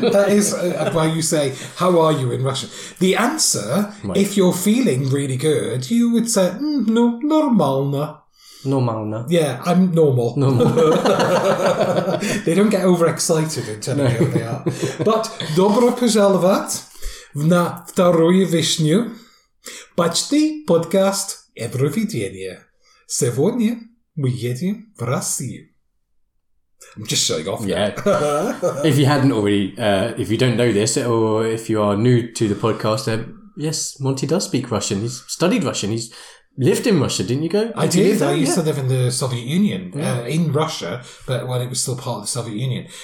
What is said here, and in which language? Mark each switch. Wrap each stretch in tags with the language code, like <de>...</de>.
<en>That is why you say, how are you in Russian? The answer, right. If you're feeling really good, you would say, normalno. Normalno. Yeah, I'm normal. Normal. They don't get overexcited in telling you who they are.</en> <ru>But, добро пожаловать на вторую вишню. Почти подкаст Евровидения. Сегодня мы едем в Россию.</ru> <en>I'm just showing off. Yeah. If you hadn't already, if you don't know this, or if you are new to the podcast, yes, Monty does speak Russian. He's studied Russian. He's lived in Russia, didn't you go? I used to live in the Soviet Union, in Russia, but when it was still part of the Soviet Union.</en>